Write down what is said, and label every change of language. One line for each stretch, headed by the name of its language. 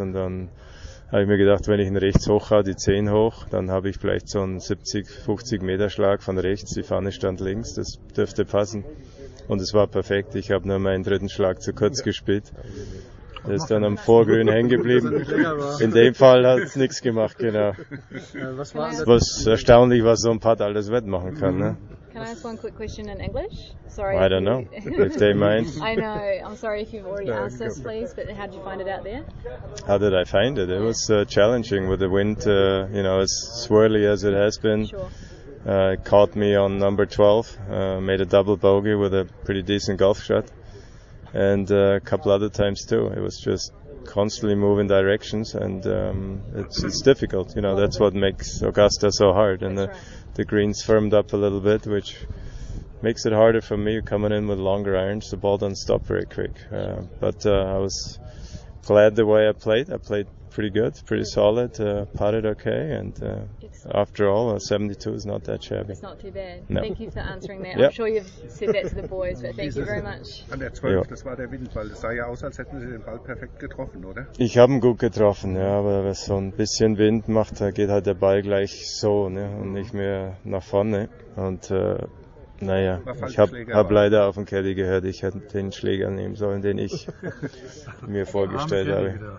German: Und dann habe ich mir gedacht, wenn ich ihn rechts hoch haue, die 10 hoch, dann habe ich vielleicht so einen 70, 50 Meter Schlag von rechts, die Fahne stand links, das dürfte passen. Und es war perfekt, ich habe nur meinen dritten Schlag zu kurz gespielt. Der ist dann am Vorgrün hängen geblieben. In dem Fall hat es nichts gemacht, genau. Was erstaunlich, was so ein Putt alles wettmachen kann, ne?
English: Can I ask one quick question in English? Sorry. I don't know if they mind. I know. I'm sorry if you've already asked this, please, but how did you find it out there? How did I find it? It was challenging with the wind, you know, as swirly as it has been. Sure. Caught me on number 12, made a double bogey with a pretty decent golf shot, and a couple other times too. It was just constantly moving directions, and it's difficult. You know, that's what makes Augusta so hard. And that's right. The greens firmed up a little bit, which makes it harder for me coming in with longer irons. The ball doesn't stop very quick. But I was glad the way I played. I played pretty good, pretty solid, putted okay. And after all, 72 is not that shabby. It's not too bad. No. Thank you for answering that. Yep. I'm sure you've said that to the boys, but thank you very much.
German: An der 12, das war der Windball. Das sah ja aus, als hätten Sie den Ball perfekt getroffen, oder? Ich habe ihn gut getroffen, ja. Aber wenn so ein bisschen Wind macht, da geht halt der Ball gleich so, ne, und nicht mehr nach vorne. Und Naja, ich hab leider auf den Caddy gehört, ich hätte den Schläger nehmen sollen, den ich mir vorgestellt habe.